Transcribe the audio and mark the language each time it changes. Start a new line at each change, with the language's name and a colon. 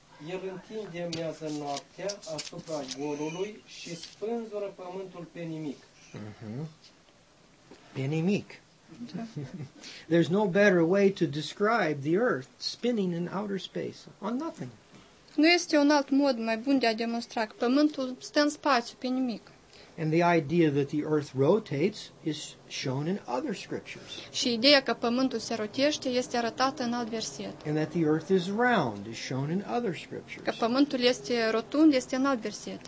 Romanian: El întinde miază noaptea asupra golului și spânzură pământul pe nimic. Pe nimic.
English: There's no better way to describe the earth spinning in outer space on nothing.
Romanian: Nu este un alt mod mai bun de a demonstra că pământul stă în spațiu pe nimic.
English: And the idea that the earth rotates is shown in other scriptures.
Romanian: Și ideea că pământul se rotește este arătată în alt verset.
English: And that the earth is round is shown in other scriptures.
Romanian: Că pământul este rotund este în alt verset.